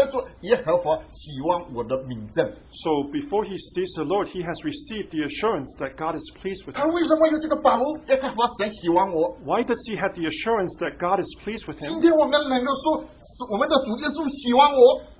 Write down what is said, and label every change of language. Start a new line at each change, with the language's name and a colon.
Chinese: 所以当他见主之前,他说,我已经得着耶和华喜欢我的名证。
English: So before he sees the Lord, he has received the assurance that God is pleased with him.
Chinese: 他为什么有这个把握,耶和华神喜欢我?
English: Why does he have the assurance that God is pleased with him?
Chinese: 今天我们能够说,我们的主耶稣喜欢我?